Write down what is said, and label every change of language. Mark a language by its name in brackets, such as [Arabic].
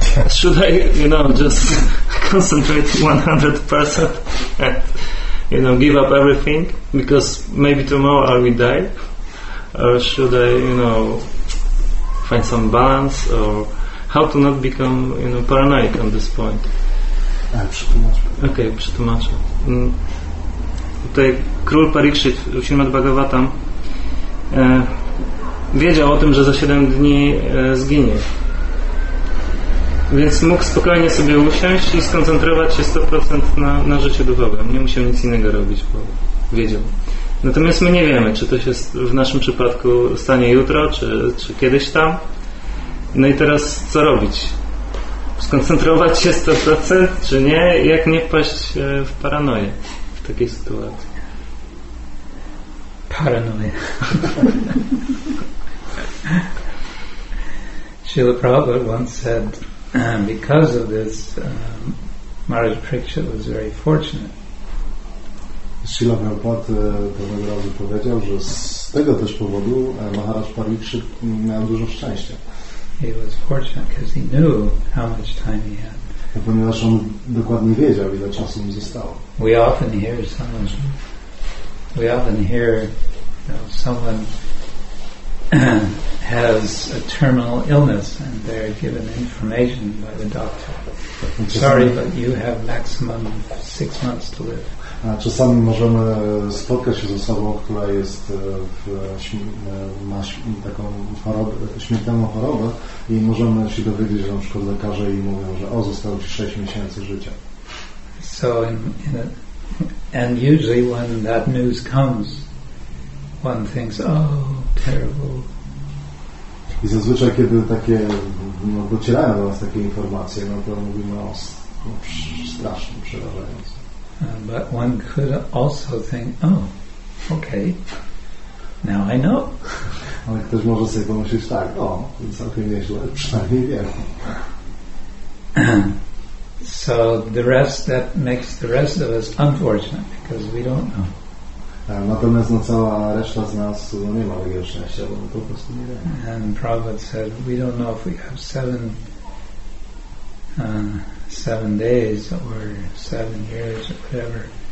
[English] Should I, you know, just concentrate 100% and, you know, give up everything? Because maybe tomorrow I will die. Or should I, you know, find some balance, or how to not become, you know, paranoid on this point? [Polish] Okay, przetłumaczę. Tutaj król Parikshit w Śrimad Bhagavatam wiedział o tym, że za 7 dni zginie. Więc mógł spokojnie sobie usiąść i skoncentrować się 100% na życiu duchowym. Nie musiał nic innego robić, bo wiedział. Natomiast my nie wiemy, czy to się w naszym przypadku stanie jutro, czy kiedyś tam. No i teraz co robić? Skoncentrować się 100% czy nie? Jak nie wpaść w paranoję w takiej sytuacji? Paranoję. [English] Srila Prabhupada once said, because of this, Maharaj Parikshit was very fortunate. [Polish] Srila Prabhupada pewnego razu powiedział, że z tego też powodu Maharaj Parikshit miał dużo szczęścia. [English] He was fortunate because he knew how much time he had. [Polish] Ponieważ on dokładnie wiedział, ile czasu mu zostało. [English] We often hear you know, someone has a terminal illness and they're given information by the doctor. Sorry, but you have maximum 6 months to live. [Polish] A czasami możemy spotkać się z osobą, która jest w, ma taką chorobę, śmiertelną chorobę, i możemy się dowiedzieć, że na przykład lekarze i mówią, że o, zostało ci 6 miesięcy życia. [English] So and usually when that news comes, one thinks, oh, terrible. [Polish] I zazwyczaj, kiedy takie, no, docierają do nas takie informacje, no to mówimy o strasznym, przerażającym. [English] But one could also think, oh, okay, now I know. [Polish] Ale ktoś może sobie pomyśleć tak, o, całkiem nieźle, przynajmniej wiem. [English] So the rest, that makes the rest of us unfortunate, because we don't know. [Polish] Natomiast no, cała reszta z nas no, nie ma takiego szczęścia, bo my po prostu nie wiemy. [English] And Prabhupada said, we don't know if we have seven days or 7 years or whatever.